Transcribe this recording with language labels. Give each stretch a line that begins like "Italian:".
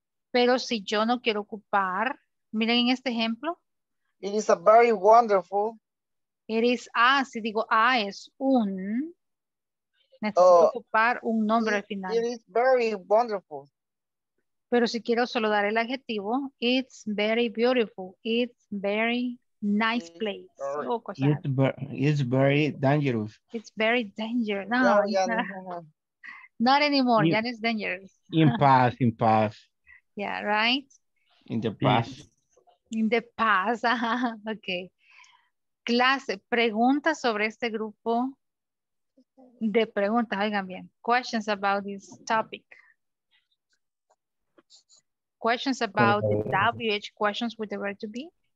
Spanish: Pero si yo no quiero ocupar, miren en este ejemplo.
English: It is a very wonderful. It is a,
Spanish: si digo a es un, necesito ocupar un nombre al final.
English: It is very wonderful.
Spanish: Pero si quiero solo dar el adjetivo,
English: it's very beautiful, it's very nice place. It's very dangerous. It's very dangerous. No, not anymore, that is dangerous. In past. Yeah, right? In the past. In the past, okay.
Spanish: Clase, preguntas sobre este grupo de preguntas, oigan bien.
English: Questions about this topic. Questions about the WH, questions with the verb to be.